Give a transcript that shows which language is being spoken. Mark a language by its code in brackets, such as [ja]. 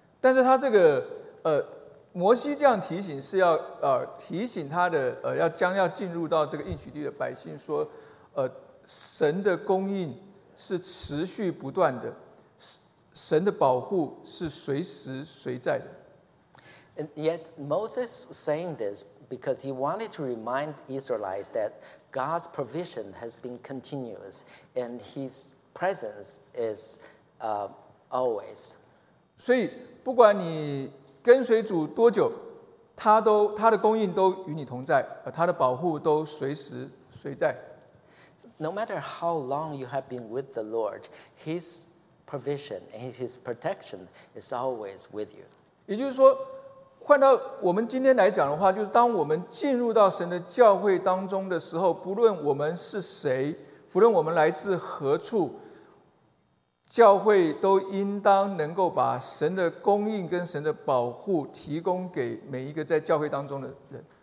[zh] 但是他这个摩西这样提醒是要提醒他的要将要进入到这个应许地的百姓说神的供应是持续不断的，神的保护是随时随在的。 [en] And yet Moses saying this because he wanted to remind Israelites that God's provision has been continuous and his presence is always. [zh] 所以不管你跟随主多久，他的供应都与你同在，他的保护都随时随在。 [en] No matter how long you have been with the Lord, His provision and His protection is always with you. [zh] 也就是说，换到我们今天来讲的话，就是当我们进入到神的教会当中的时候，不论我们是谁，不论我们来自何处，教会都应当能够把神的供应跟神的保护提供给每一个在教会当中的人。